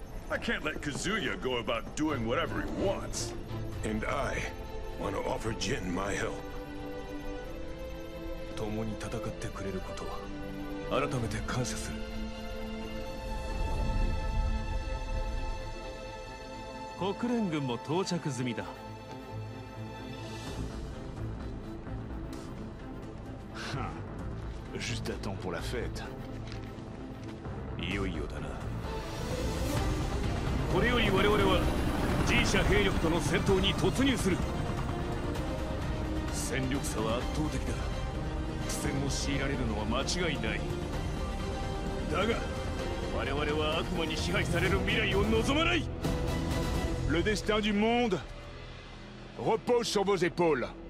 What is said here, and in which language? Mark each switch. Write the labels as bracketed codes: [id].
[en] I can't let Kazuya go about doing whatever he wants. And I want to offer Jin my help. [ja] ともに戦ってくれることを改めて感謝する。国連軍も到着済みだ。 [fr] Juste à temps pour la fête. [ja] いよいよだな。これより我々は G社兵力との戦闘に突入する。戦力差は圧倒的だ。苦戦を強いられるのは間違いない。だが、我々は悪魔に支配される未来を望まない。 [fr] Le destin du monde repose sur vos épaules.